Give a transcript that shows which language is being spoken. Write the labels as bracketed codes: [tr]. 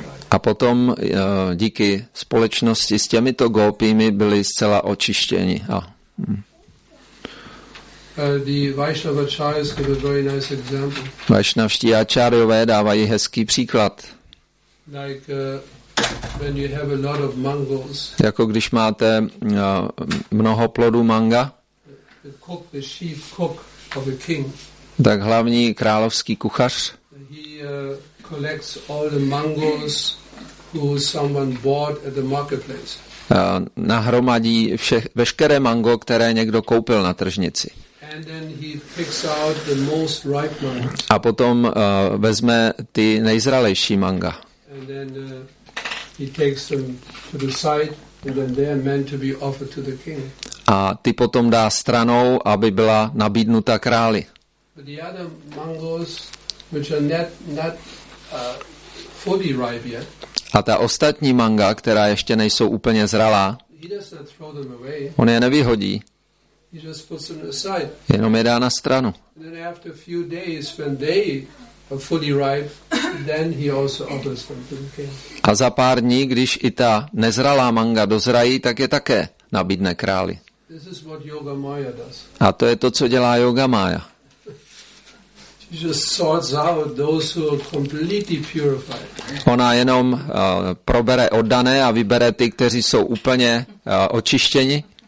[cs] A potom díky společnosti s těmito Gopími byli zcela očištěni. [en] The Vaishnava acharyas give a very nice example. [cs] Vaishnavští acharyové dávají hezký příklad. [en] Like when you have a lot of mangoes. [cs] Jako když máte mnoho plodů manga. [en] The cook, the chief cook of a king. [cs] Tak hlavní královský kuchař. [en] He collects all the mangoes who someone bought at the marketplace. [cs] Nahromadí veškeré mango, které někdo koupil na tržnici. [en] And then he picks out the most ripe mango. [cs] A potom vezme ty nejzralejší manga. [en] And then he takes them to the side, and then they are meant to be offered to the king. [cs] A ty potom dá stranou, aby byla nabídnuta králi. [en] But the other mangoes, which are not fully ripe yet. [cs] A ta ostatní manga, která ještě nejsou úplně zralá. [en] He does not throw them away. [cs] On je nevyhodí. [en] He just puts them aside. [cs] Jenom je dá na stranu. [en] Then after a few days, when they are fully ripe, then he also offers them to the king. [cs] A za pár dní, když i ta nezralá manga dozrají, tak je také nabídne králi. [en] This is what Yoga Maya does. [cs] A to je to, co dělá Yoga Maya. [en] She just sorts out those who are completely purified. [cs] Ona jenom probere oddané a vybere ty, kteří jsou úplně očištěni.